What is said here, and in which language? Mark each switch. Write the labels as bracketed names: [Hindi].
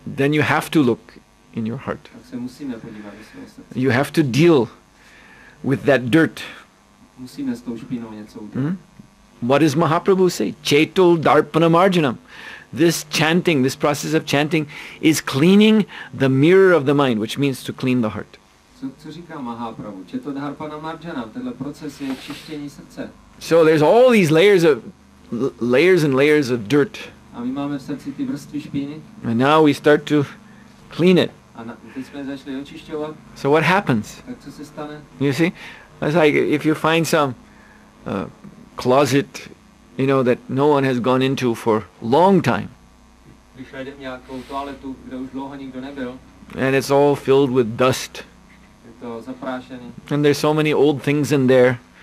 [English] then you have to look in your heart. [Czech] Tak se musíme podívat do svého srdce. [English] You have to deal with that dirt. [Czech] Musíme s tou špínou něco udělat. [English] What does Mahaprabhu say? [Sanskrit] Chetul darpana marjanam. [English] This chanting, this process of chanting, is cleaning the mirror of the mind, which means to clean the heart. [Czech] Co říká Mahaprabhu? [Sanskrit] Chetul darpana marjanam. [Czech] Tenhle proces je čištění srdce. [English] So there's all these layers of dirt. [Czech] A my máme v srdci ty vrstvy špíny. [English] And now we start to clean it. [Czech] Teď jsme začali očišťovat. [English] So what happens? [Czech] Tak co se stane? [English] You see? It's like if you find some closet, you know, that no one has gone into for a long time. [Czech] Když najdeme nějakou toaletu, kde už dlouho nikdo nebyl. [English] And it's all filled with dust. [Czech] Je to zaprášený. [English] And there's so many old things in there.